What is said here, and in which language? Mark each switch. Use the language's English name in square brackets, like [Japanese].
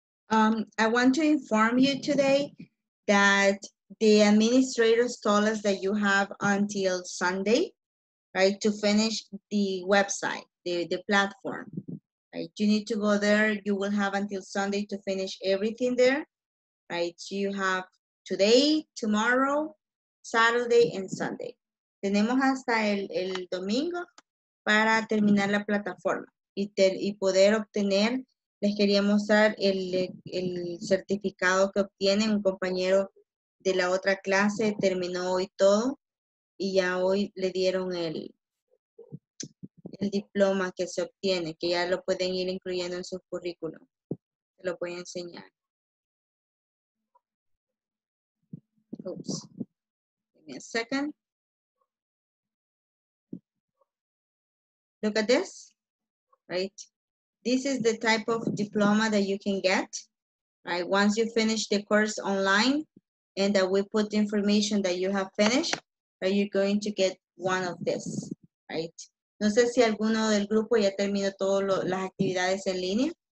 [English] I want to inform you today that the administrators told us that you have until Sunday, right, to finish the website, the platform. Right. You need to go there. You will have until Sunday to finish everything there, right? You have today, tomorrow, Saturday, and Sunday. [Spanish] Tenemos hasta el domingo para terminar la plataforma y poder obtener. Les quería mostrar el certificado que obtienen. Un compañero de la otra clase terminó hoy todo y ya hoy le dieron el diploma que se obtiene, que ya lo pueden ir incluyendo en su currículum. Se lo voy a enseñar. [English] Oops. Give me a second. Look at this, right? This is the type of diploma that you can get, right? Once you finish the course online and that we put the information that you have finished, right, you're going to get one of this, right? [Spanish] No sé si alguno del grupo ya terminó todas las actividades en línea.